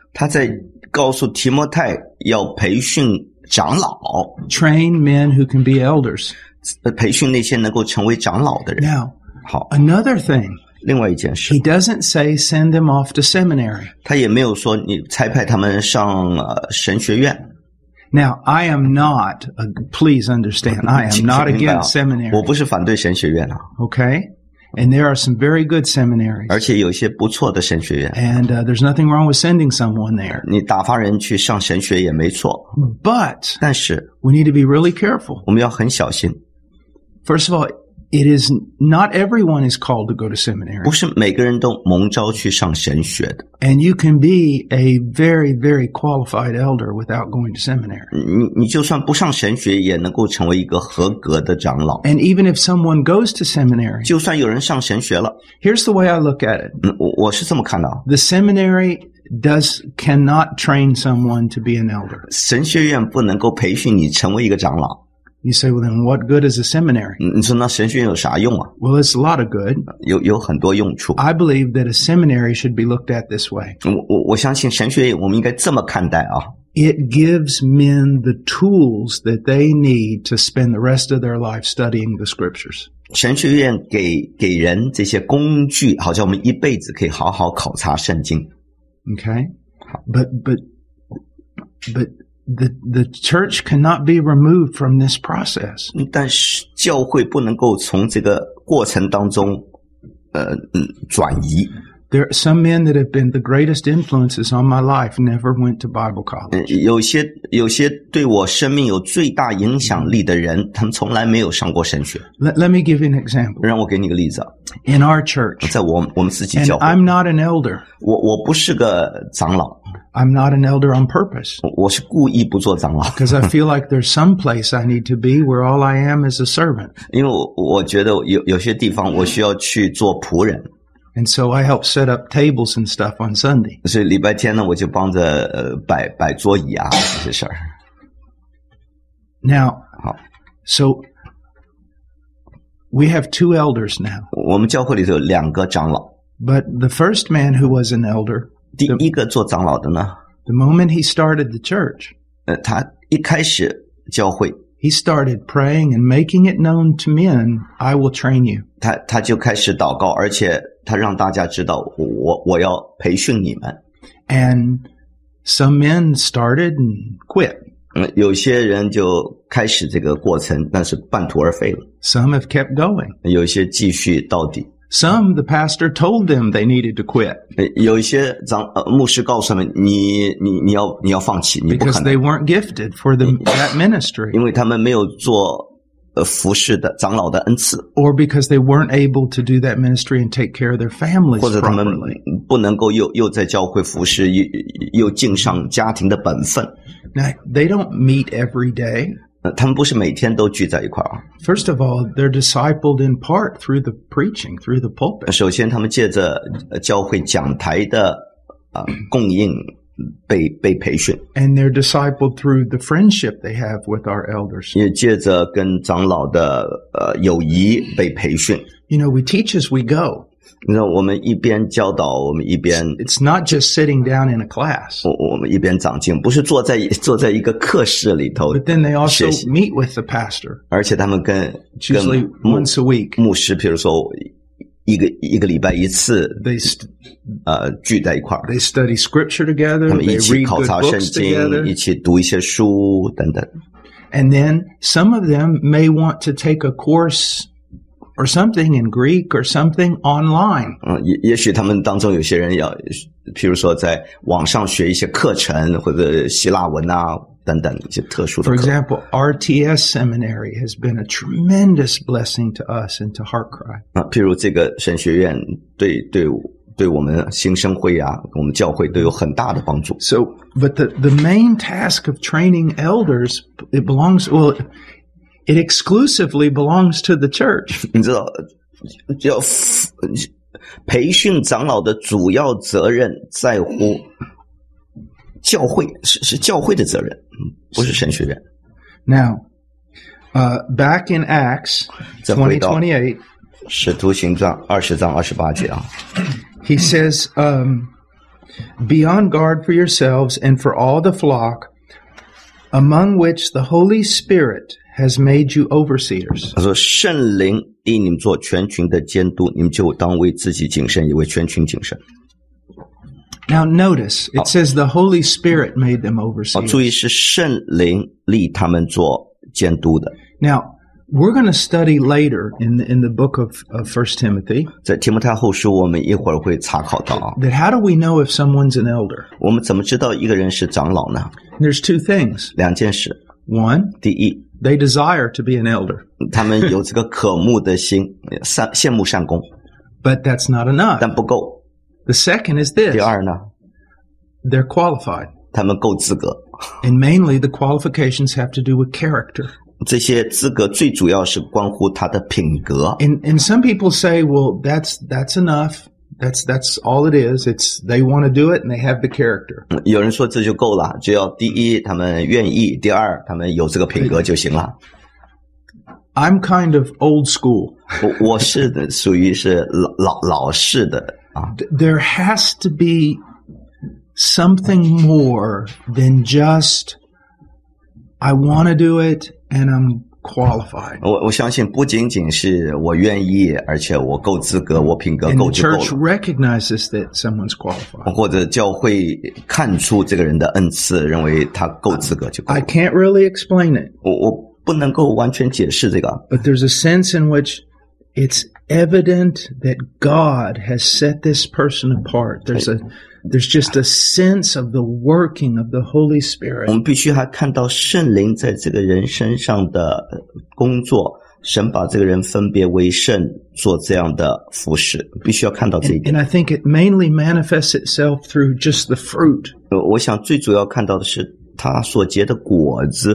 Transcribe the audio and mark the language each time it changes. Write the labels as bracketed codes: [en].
[zh] 他在告诉提摩太要培训长老。 [en] Train men who can be elders. [zh] 培训那些能够成为长老的人。 [en] Now, [zh] 好 [en] another thing, [zh] 另外一件事。 [en] He doesn't say send them off to seminary. [zh] 他也没有说你差派他们上神学院。 [en] Now, I am not, please understand, I am not against seminaries. [zh] 我不是反对神学院啊。 [en] Okay? And there are some very good seminaries. [zh] 而且有一些不错的神学院。 [en] And there's nothing wrong with sending someone there. [zh] 你打发人去上神学也没错。 [en] But, [zh] 但是 [en] we need to be really careful. [zh] 我们要很小心。 [en] First of all, it is not everyone is called to go to seminary. [zh] 不是每个人都蒙召去上神学的。 [en] And you can be a very, very qualified elder without going to seminary. [zh] 你就算不上神学也能够成为一个合格的长老。 [en] And even if someone goes to seminary, [zh] 就算有人上神学了。 [en] Here's the way I look at it. [zh] 我是这么看的。 [en] The seminary cannot train someone to be an elder. [zh] 神学院不能够培训你成为一个长老。 [en] You say, well, then what good is a seminary? [zh] 你说那神学院有啥用啊? [en] Well, it's a lot of good. [zh] 有很多用处。 [en] I believe that a seminary should be looked at this way. [zh] 我相信神学院我们应该这么看待啊。 [en] It gives men the tools that they need to spend the rest of their life studying the scriptures. [zh] 神学院给人这些工具，好像我们一辈子可以好好考察圣经。 [en] Okay? But,The church cannot be removed from this process. [zh] 但是教会不能够从这个过程当中转移。 [en] There are some men that have been the greatest influences on my life never went to Bible college. [zh] 有些对我生命有最大影响力的人，他们从来没有上过神学。 [en] Let me give you an example. [zh] 让我给你个例子。 [en] In our church, [zh] 在我们自己教会。 [en] And I'm not an elder. [zh] 我不是个长老。 [en] I'm not an elder on purpose. [zh] 我是故意不做长老。 [en] Because I feel like there's some place I need to be where all I am is a servant. [zh] 因为我觉得有些地方我需要去做仆人。 [en] And so I help set up tables and stuff on Sunday. [zh] 所以礼拜天呢，我就帮着摆桌椅啊这些事儿。 [en] Now, [zh] 好 [en] ，so we have two elders now. [zh] 我们教会里头有两个长老。 [en] But the first man who was an elder, [zh] 第一个做长老的呢 [en] ，the moment he started the church, [zh] 他一开始教会。 [en] He started praying and making it known to men, I will train you. [zh] 他就开始祷告，而且他让大家知道我要培训你们。 [en] And some men started and quit. [zh] 有些人就开始这个过程，但是半途而废了。 [en] Some have kept going. [zh] 有些继续到底。 [en] Some the pastor told them they needed to quit. [zh] 有些牧师告诉他们你要放弃，你不可能。 [en] Because they weren't gifted for that ministry. [zh] 因为他们没有做服侍的长老的恩赐。 [en] Or because they weren't able to do that ministry and take care of their families properly. [zh] 或者他们不能够又在教会服侍，又尽上家庭的本分。 [en] Now, they don't meet every day. [zh] 他们不是每天都聚在一块儿。 [en] First of all, they're discipled in part through the preaching, through the pulpit. [zh] 首先他们借着教会讲台的供应被培训。 [en] And they're discipled through the friendship they have with our elders. [zh] 也借着跟长老的友谊被培训。 [en] You know, we teach as we go. [zh] 你知道我们一边教导我们一边。 [en] It's not just sitting down in a class. [zh] 我们一边长进，不是坐在一个课室里头。 [en] But then they also meet with the pastor. [zh] 而且他们跟 [en] usually once a week. [zh] 牧师比如说一个礼拜一次聚在一块儿。 [en] They study scripture together. [zh] 他们一起考察圣经，一起读一些书等等。 [en] And then some of them may want to take a course. Or something in Greek or something online. [zh] 也许他们当中有些人要譬如说在网上学一些课程或者希腊文啊等等一些特殊的课。 [en] For example, RTS Seminary has been a tremendous blessing to us and to Heartcry. [zh] 譬如这个神学院对我们新生会啊我们教会都有很大的帮助。 [en] So, but the main task of training elders, it belongs, well,It exclusively belongs to the church. [zh] 你知道，要培训长老的主要责任在乎教会，是教会的责任，不是神学院。 [en] Now, back in Acts 20:28, [zh] 使徒行传20:28啊。 [en] He says, "Be on guard for yourselves and for all the flock, among which the Holy Spirit." Has made you overseers. [zh] 他说圣灵替你们做全群的监督，你们就当为自己谨慎，也为全群谨慎。 [en] Now notice, it says the Holy Spirit made them overseers. [zh] 注意是圣灵立他们做监督的。 [en] Now, we're going to study later in the book of 1 Timothy. [zh] 在提摩太后书我们一会儿会查考到。 [en] That how do we know if someone's an elder? [zh] 我们怎么知道一个人是长老呢? [en] There's two things. [zh] 两件事。 [en] One, [zh] 第一, [en] they desire to be an elder. [zh] 他们有这个渴慕的心,羡慕上工。 [en] But that's not enough. [zh] 但不够。 [en] The second is this. [zh] 第二呢? [en] They're qualified. [zh] 他们够资格。 [en] And mainly the qualifications have to do with character. [zh] 这些资格最主要是关乎他的品格。 [en] And some people say, well, that's enough. That's all it is. It's they want to do it and they have the character. [zh] 有人说这就够了，只要第一他们愿意，第二他们有这个品格就行了。 [en] I'm kind of old school. [zh] 我是的属于是老式的。 [en] There has to be something more than just, I want to do it and I'm qualified. [zh] 我相信不仅仅是我愿意，而且我够资格，我品格够就够了。 [en] And the church recognizes that someone's qualified. [zh] 或者教会看出这个人的恩赐，认为他够资格就够了。 [en] I can't really explain it. [zh] 我不能够完全解释这个。 [en] But there's a sense in which it's evident that God has set this person apart. There's just a sense of the working of the Holy Spirit. [zh] 我们必须还看到圣灵在这个人身上的工作，神把这个人分别为圣，做这样的服事，必须要看到这一点。 [en] And I think it mainly manifests itself through just the fruit. [zh] 我想最主要看到的是他所结的果子。